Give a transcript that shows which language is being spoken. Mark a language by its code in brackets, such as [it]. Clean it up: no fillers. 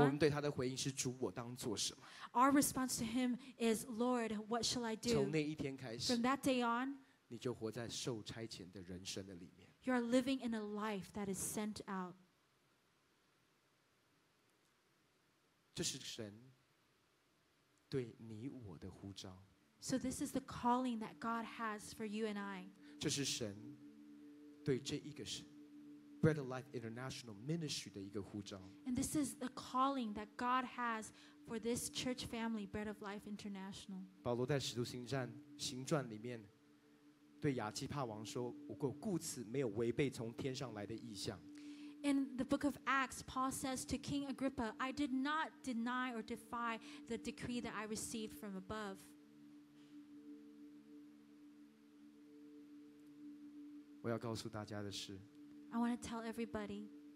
[zh] 我们对他的回应是主，我当做什么？ [en] Our response to him is, Lord, what shall I do? [zh] 从那一天开始， [en] From that day on, [zh] 你就活在受差遣的人生的里面。 [en] You are living in a life that is sent out. [zh] 这是神对你我的呼召。 [en] So this is the calling that God has for you and I. [zh] 这是神对这一个 Bread of Life International Ministry 的一个呼召。 [en] And this is the calling that God has for this church family, Bread of Life International. [zh] 保罗在《使徒行传》里面对亚基帕王说：“我故此没有违背从天上来的意象。” [en] In the book of Acts, Paul says to King Agrippa, "I did not deny or defy the decree that I received from above." [zh] 我要告诉大家的是 [en] I want to tell everybody